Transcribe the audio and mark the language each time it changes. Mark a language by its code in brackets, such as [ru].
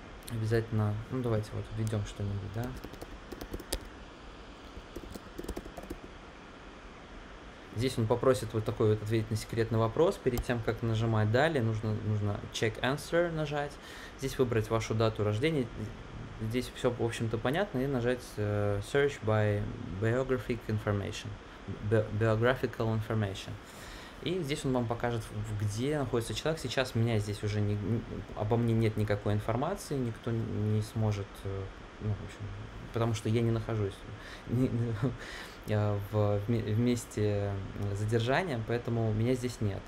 [ru] Обязательно, ну давайте вот введем что-нибудь, да. Здесь он попросит вот такой вот ответить на секретный вопрос. Перед тем, как нажимать далее, нужно [en] check answer [ru] нажать. Здесь выбрать вашу дату рождения. Здесь все, в общем-то, понятно. И нажать [en] search by biographic information. Biographical information. [ru] И здесь он вам покажет, где находится человек. Сейчас у меня здесь уже обо мне нет никакой информации, никто не сможет, ну, в общем, потому что я не нахожусь в месте задержания, поэтому меня здесь нет.